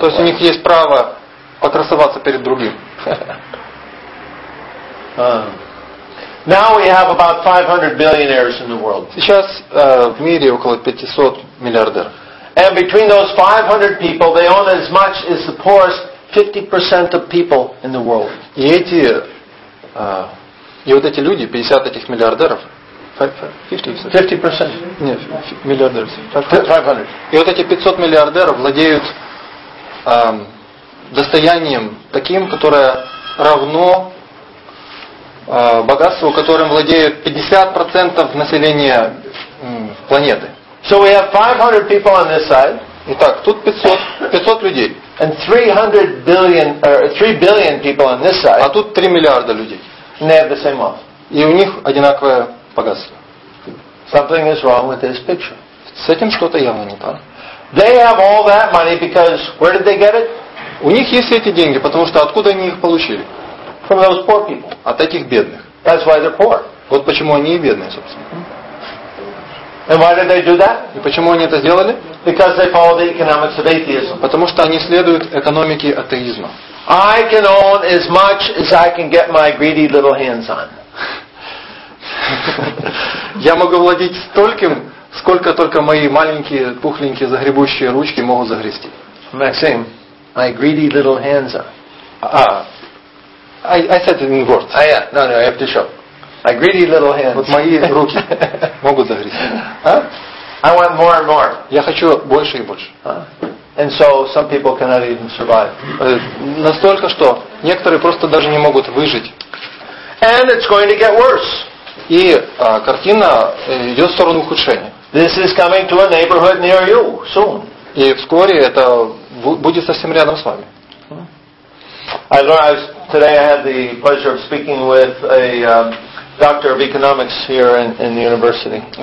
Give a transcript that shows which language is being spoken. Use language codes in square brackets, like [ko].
[ru] То есть у них есть право покрасоваться перед другим. [en] Now we have about 500 billionaires in the world. [ru] Сейчас в мире около 500 миллиардеров. [en] And between those 500 people, they own as much as the poorest 50% of people in the world. [ru] И эти вот эти люди, 50 этих миллиардеров, [en] 50%. [ru] Нет, миллиардеров. [en] 500. [ru] И вот эти 500 миллиардеров владеют достоянием таким, которое равно богатству, которым владеют 50% населения планеты. [en] So we have 500 people on this side. [ru] Итак, тут 500 людей. [en] And 3 billion people on this side. [ru] А тут 3 миллиарда людей. [en] And they have the same wealth. [ru] И у них одинаковое богатство. [en] Something is wrong with this picture. [ru] С этим что-то явно не так. [en] They have all that money because where did they get it? [ru] У них есть эти деньги, потому что откуда они их получили? [en] From those poor people. [ru] От этих бедных. [en] That's why they're poor. [ru] Вот почему они и бедные, собственно. [en] And why did they do that? [ru] И почему они это сделали? [en] Because they follow the economics of atheism. [ru] Потому что они следуют экономике атеизма. [en] I can own as much as I can get my greedy little hands on. [ru] Я могу владеть стольким, сколько только мои маленькие, пухленькие, загребущие ручки могут загрести. [en] Maxim, my greedy little hands on. I said it in words. Ah, yeah. No, I have to show. My greedy little hands. [ru] Вот мои руки могут загрести. [en] I want more and more. [ru] Я хочу больше и больше. [en] And so some people cannot even survive. [ru] Настолько, что некоторые просто даже не могут выжить. [en] And it's going to get worse. [ru] И картина идет в сторону ухудшения. [en] This is coming to a neighborhood near you soon. [ru] И вскоре это будет совсем рядом с вами. [en] Today I had the pleasure of speaking with a doctor of economics here in the university.